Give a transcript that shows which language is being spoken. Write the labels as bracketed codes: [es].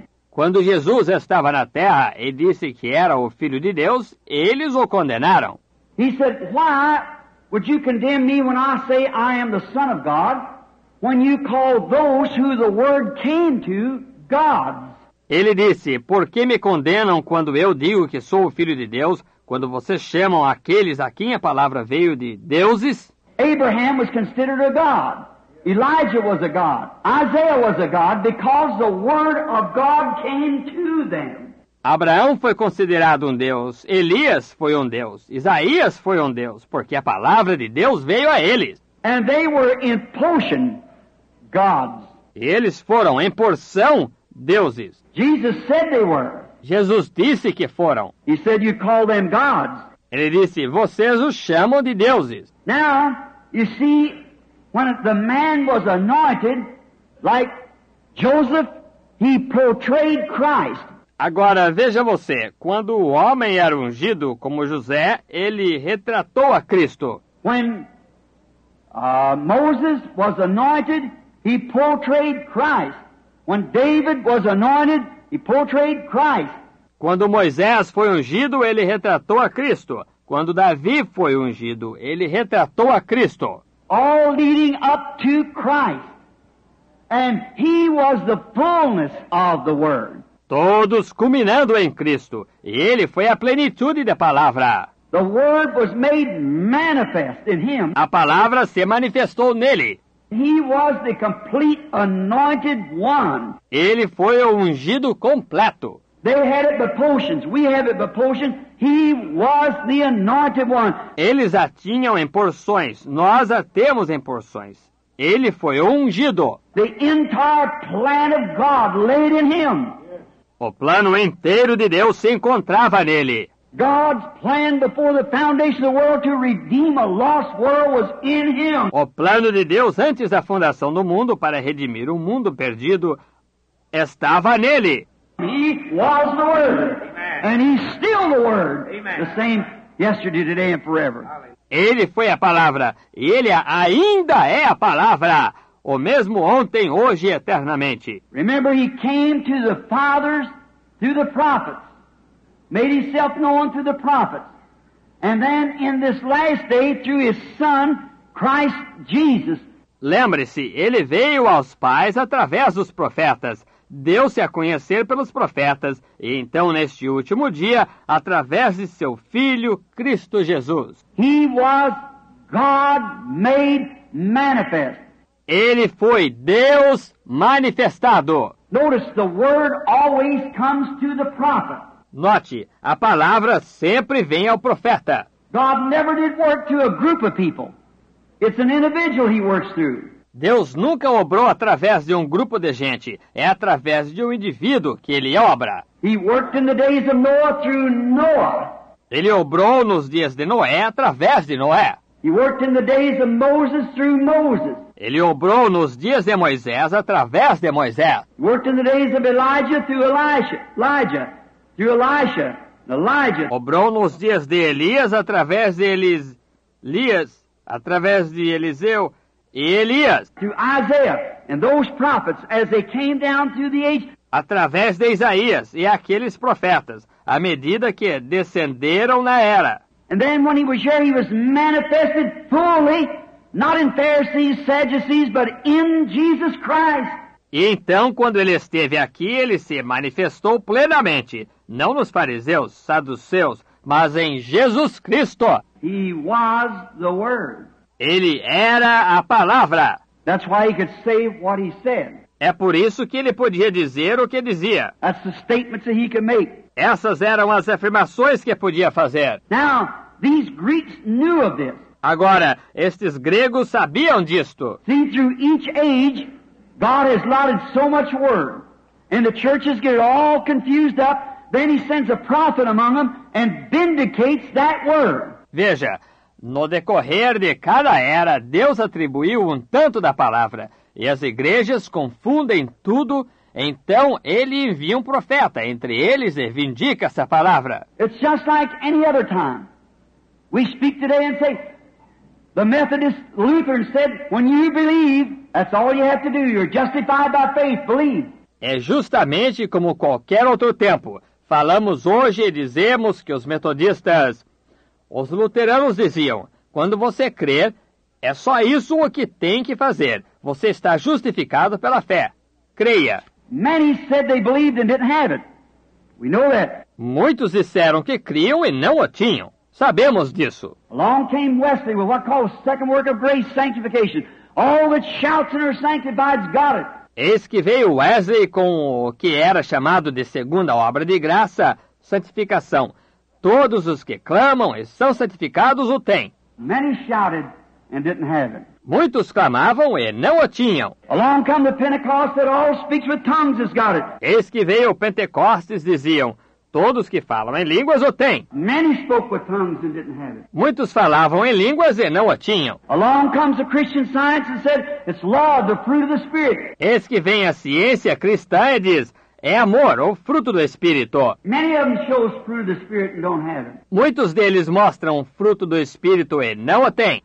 [pt] Quando Jesus estava na terra e disse que era o Filho de Deus, eles o condenaram. [en] He said, why would you condemn me when I say I am the Son of God, when you call those who the Word came to gods? [pt] Ele disse, por que me condenam quando eu digo que sou o Filho de Deus, quando vocês chamam aqueles a quem a palavra veio de deuses? [en] Abraham was considered a god. Elijah was a god. Isaiah was a god because the word of God came to them. [pt] Abraão foi considerado um deus. Elias foi um deus. Isaías foi um deus, porque a palavra de Deus veio a eles. [en] And they were in portion gods. [pt] E eles foram em porção deuses. [en] Jesus said they were. [pt] Jesus disse que foram. [en] He said you call them gods. [pt] Ele disse, vocês os chamam de deuses. [en] Now, you see, when the man was anointed, like Joseph, he portrayed Christ. [pt] Agora, veja você, quando o homem era ungido como José, ele retratou a Cristo. [en] When Moses was anointed, he portrayed Christ. When David was anointed, he portrayed Christ. [pt] Quando Moisés foi ungido, ele retratou a Cristo. Quando Davi foi ungido, ele retratou a Cristo. [en] All leading up to Christ. And he was the fullness of the Word. [pt] todos culminando em Cristo. E ele foi a plenitude da palavra. [en] The word was made manifest in him. [pt] A palavra se manifestou nele. [en] He was the complete anointed one. [pt] Ele foi o ungido completo. [en] They had it by portions. We have it by portions. He was the anointed one. [pt] Eles a tinham em porções. Nós a temos em porções. Ele foi o ungido. [en] The entire plan of God laid in him. [pt] O plano inteiro de Deus se encontrava nele. [en] God's plan before the foundation of the world to redeem a lost world was in him. [pt] O plano de Deus antes da fundação do mundo para redimir um mundo perdido estava nele. [en] He was the Word. Amen. And he's still the Word. Amen. The same yesterday, today and forever. [pt] Ele foi a palavra e ele ainda é a palavra, o mesmo ontem, hoje e eternamente. [en] Remember, he came to the fathers through the prophets. Made himself known through the prophets. And then in this last day through his son, Christ Jesus. [pt] Lembre-se, ele veio aos pais através dos profetas. Deu-se a conhecer pelos profetas. E então neste último dia, através de seu filho, Cristo Jesus. [en] He was God made manifest. [pt] Ele foi Deus manifestado. [en] Notice the word always comes to the prophet. [pt] Note, a palavra sempre vem ao profeta. [en] God never did work to a group of people. It's an individual he works through. [pt] Deus nunca obrou através de um grupo de gente. É através de um indivíduo que ele obra. [en] He worked in the days of Noah through Noah. [pt] Ele obrou nos dias de Noé através de Noé. [en] He worked in the days of Moses through Moses. [pt] Ele obrou nos dias de Moisés através de Moisés. [en] He worked in the days of Elijah through Elijah. Through Elisha, Elijah. [pt] Obrou nos dias de Elias através de Elias, através de Eliseu e Elias. [en] Through Isaiah and those prophets as they came down through the ages. [pt] Através de Isaías e aqueles profetas, à medida que descenderam na era. [en] And then when he was here, he was manifested fully, not in Pharisees, Sadducees, but in Jesus Christ. [pt] E então, quando ele esteve aqui, ele se manifestou plenamente, não nos fariseus, saduceus, mas em Jesus Cristo. [en] He was the Word. [pt] Ele era a palavra. [en] That's why he could say what he said. [pt] É por isso que ele podia dizer o que dizia. [en] That's the statements that he could make. [pt] Essas eram as afirmações que podia fazer. [en] Now, these Greeks knew of this. [pt] Agora, estes gregos sabiam disto. [en] See, through each age, God has allotted so much word, and the churches get it all confused up, then he sends a prophet among them and vindicates that word. [pt] Veja, no decorrer de cada era, Deus atribuiu um tanto da palavra, e as igrejas confundem tudo, então ele envia um profeta entre eles e vindica essa palavra. [en] It's just like any other time. We speak today and say, the Methodist Lutheran said, when you believe, that's all you have to do. You're justified by faith. Believe. [pt] É justamente como qualquer outro tempo. Falamos hoje e dizemos que os metodistas, os luteranos diziam, quando você crer, é só isso o que tem que fazer. Você está justificado pela fé. Creia. [en] Many said they believed and didn't have it. We know that. [pt] Muitos disseram que criam e não o tinham. Sabemos disso. [en] Along came Wesley with what called the second work of grace sanctification. All that shouts and are sanctified has got it. [pt] Eis que veio Wesley com o que era chamado de segunda obra de graça, santificação. Todos os que clamam e são santificados o têm. [en] Many shouted and didn't have it. [pt] Muitos clamavam e não o tinham. [en] Along come the Pentecost that all speaks with tongues has got it. [pt] Eis que veio o Pentecostes, diziam, todos que falam em línguas o têm. [en] Many spoke with tongues and didn't have it. [pt] Muitos falavam em línguas e não o tinham. [en] Along comes the Christian science and said, it's love, the fruit of the Spirit. [pt] Eis que vem a ciência cristã e diz, é amor, o fruto do Espírito. [en] Many of them show us fruit of the Spirit and don't have it. [pt] Muitos deles mostram o fruto do Espírito e não o têm.